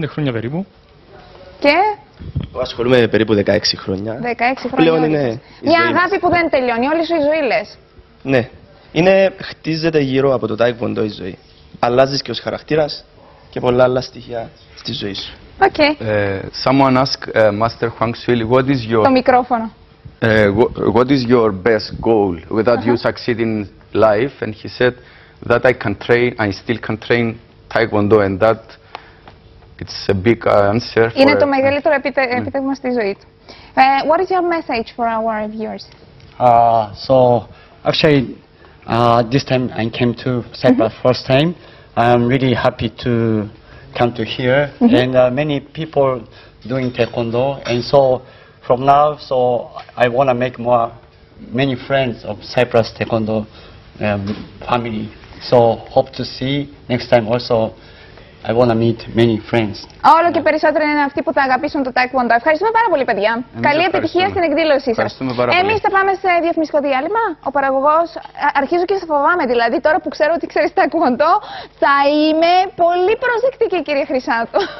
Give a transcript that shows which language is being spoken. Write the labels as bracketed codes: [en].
[el] 15 χρόνια περίπου. Και? Ασχολούμαι περίπου 16 χρόνια. 16 χρόνια. Πλέον είναι. Μια αγάπη που δεν τελειώνει, όλη σου η ζωή λες. Ναι. Είναι, χτίζεται γύρω από το Taekwondo η ζωή. Αλλάζεις και ως χαρακτήρας και πολλά άλλα στοιχεία στη ζωή σου. Οκ. [en] Someone asked Master Huang Shuil, what is your. [el] Το μικρόφωνο. [en] What is your best goal without you succeeding life? And he said, that I can train, I still can train Taekwondo, and that it's a big answer. [el] Είναι το μεγαλύτερο επίτευγμα στη ζωή του. [en] What is your message for our viewers? So actually, this time I came to Cyprus first time. I'm really happy to come to here, and many people doing Taekwondo, and so from now, so I want to make more many friends of Cyprus Taekwondo family. So hope to see next time also. I want to meet many friends. [el] Όλο και περισσότερο είναι αυτοί που θα αγαπήσουν το Taekwondo. Ευχαριστούμε πάρα πολύ, παιδιά. Εμείς καλή επιτυχία στην εκδήλωσή σας. Εμείς θα πάμε σε διαφημιστικό διάλειμμα. Ο παραγωγός, αρχίζω και σε φοβάμαι. Δηλαδή, τώρα που ξέρω ότι ξέρεις Taekwondo, θα είμαι πολύ προσεκτική, κύριε Χρυσάνθο.